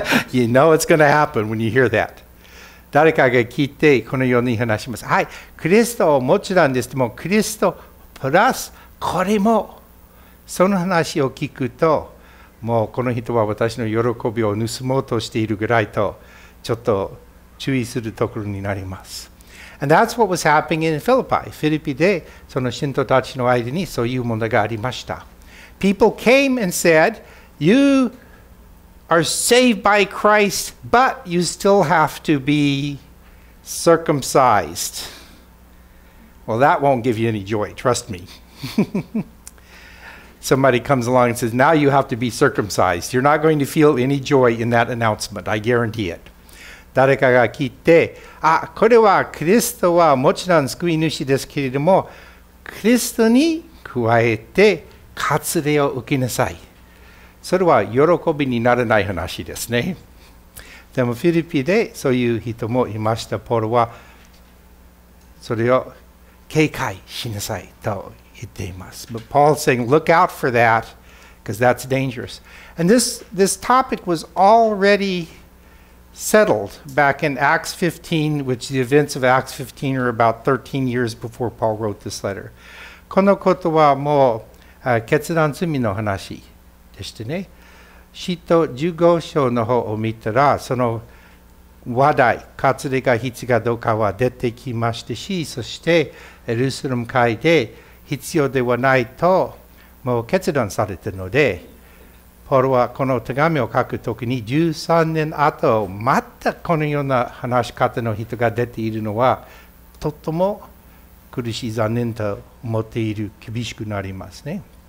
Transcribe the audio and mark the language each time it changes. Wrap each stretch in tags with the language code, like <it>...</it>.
<en>You know it's going to happen when you hear that.</en> <ja>誰かが聞いてこのように話します。はい、クリストをもちろんですけども、クリストプラスこれも。その話を聞くと、もうこの人は私の喜びを盗もうとしているぐらいと、ちょっと注意するところになります。</ja> <en>And that's what was happening in Philippi.</en> <ja>フィリピでその信徒たちの間にそういう問題がありました。</ja> <en>People came and said, you are saved by Christ, but you still have to be circumcised. Well, that won't give you any joy, trust me. Somebody comes along and says, now you have to be circumcised. You're not going to feel any joy in that announcement, I guarantee it.</en> <ja>誰かが聞いて、あ、これはクリストはもちろん救い主ですけれども、クリストに加えて割礼を受けなさい。それは喜びにならない話ですね。でもフィリピでそういう人もいました。ポールはそれを警戒しなさいと言っています。</ja> <en>But Paul saying, look out for that, because that's dangerous. And this topic was already settled back in Acts 15, which the events of Acts 15 are about 13 years before Paul wrote this letter.</en> <ja>このことはもう決断罪の話。でしたね、使徒15章の方を見たらその話題割礼が必要かどうかは出てきましたし、そしてエルサレム会で必要ではないともう決断されたので、ポールはこの手紙を書くときに13年後またこのような話し方の人が出ているのはとっても苦しい残念と思っている、厳しくなりますね。</ja>